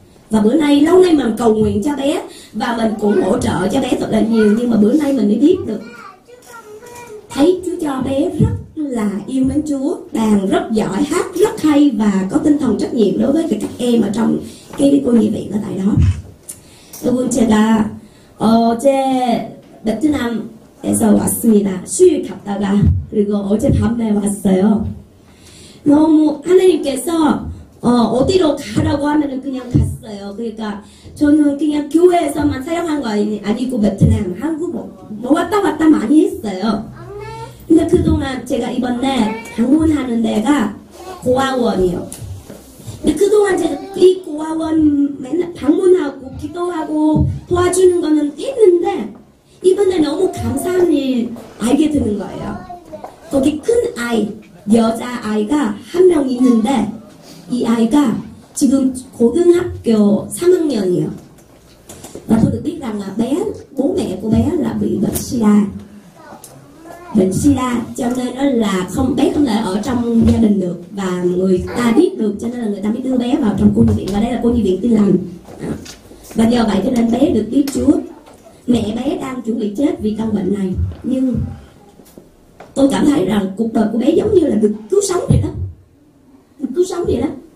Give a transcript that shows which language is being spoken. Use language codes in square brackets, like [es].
[vi] Và bữa nay lâu nay mình cầu nguyện cho bé và mình cũng hỗ trợ cho bé thật là nhiều, nhưng mà bữa nay mình mới biết được, thấy Chúa cho bé rất là yêu mến Chúa, đàn rất giỏi, hát rất hay và có tinh thần trách nhiệm đối với các em ở trong cái cô nhi viện ở tại đó. Tôi muốn chờ là ờ chê đập thứ năm [ko] 에서 왔습니다. 수요일 갔다가 그리고 어제 밤에 왔어요. 너무 하나님께서 어디로 가라고 하면은 그냥 갔어요. 그러니까 저는 그냥 교회에서만 사용한 거 아니고 베트남, 한국 뭐 왔다 갔다 많이 했어요. 근데 그동안 제가 이번에 방문하는 데가 고아원이요. 근데 그동안 제가 이 고아원 맨날 방문하고 기도하고 도와주는 거는 했는데 이번에 너무 감사한 일 알게 되는 거예요. 거기 큰 아이, 여자 아이가 한 명 있는데 이 아이가 지금 고등학교 3학년이에요. [vi] 나 tôi được biết rằng là bé, bố mẹ của bé là bị bệnh SIDA. Bệnh SIDA cho nên là không, bé không thể ở trong gia đình được và người ta biết được cho nên là người ta mới đưa bé vào trong cô nhi viện, và đây là cô nhi viện tin lành. Và nhờ vậy cho nên bé được biết Chúa. Mẹ bé đang chuẩn bị chết vì căn bệnh này, nhưng tôi cảm thấy rằng cuộc đời của bé giống như là được cứu sống vậy đó. Được cứu sống vậy đó.